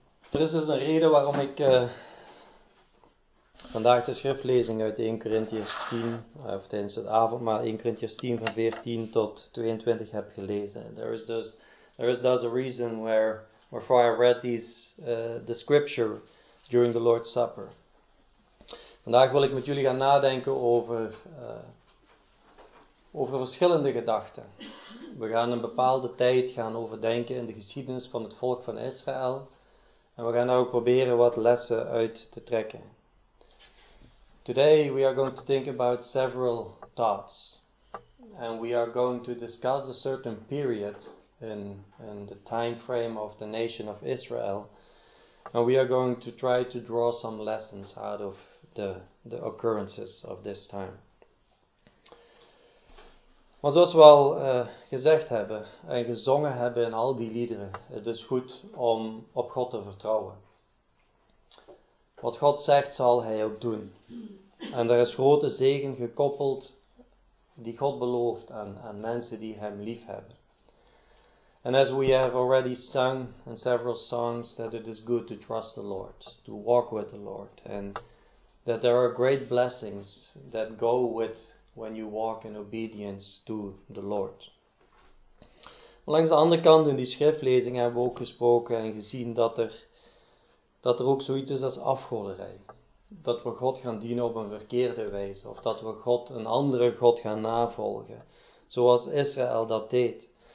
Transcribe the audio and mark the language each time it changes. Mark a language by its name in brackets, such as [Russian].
[Dutch] dus is een reden waarom ik vandaag de schriftlezing uit 1 Korintiërs 10, of tijdens het avondmaal 1 Korintiërs 10 van 14 tot 22 heb gelezen. [English] There is a reason wherefore I read these the scripture during the Lord's Supper. [Dutch] Vandaag wil ik met jullie gaan nadenken over verschillende gedachten. We gaan een bepaalde tijd gaan overdenken in de geschiedenis van het volk van Israël. En we gaan daar ook proberen wat lessen uit te trekken. [English] Today we are going to think about several thoughts. And we are going to discuss a certain period in the time frame of the nation of Israel. And we are going to try to draw some lessons out of the occurrences of this time. [Dutch] Maar zoals we al gezegd hebben en gezongen hebben in al die liederen, het is goed om op God te vertrouwen. Wat God zegt, zal Hij ook doen. En er is grote zegen gekoppeld die God belooft aan mensen die Hem lief hebben. [English] And as we have already sung in several songs, that it is good to trust the Lord, to walk with the Lord, and that there are great blessings that go with when you walk in obedience to the Lord. [Dutch] Maar langs de andere kant in die schriftlezing hebben we ook gesproken en gezien dat er ook zoiets is als afgoderij. Dat we God gaan dienen op een verkeerde wijze, of dat we God, een andere God, gaan navolgen, zoals Israël dat deed.